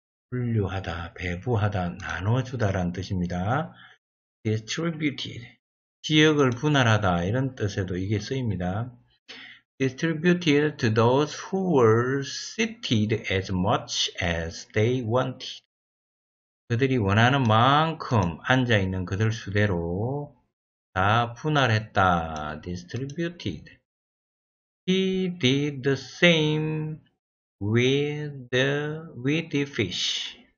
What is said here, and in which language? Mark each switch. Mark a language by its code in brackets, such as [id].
[ko] 분류하다, 배부하다, 나눠주다란 뜻입니다. [en] Distributed. [ko] 지역을 분할하다 이런 뜻에도 이게 쓰입니다. [en] Distributed to those who were seated as much as they wanted. [ko] 그들이 원하는 만큼 앉아있는 그들 수대로 다 분할했다. [en] Distributed. He did the same with the fish.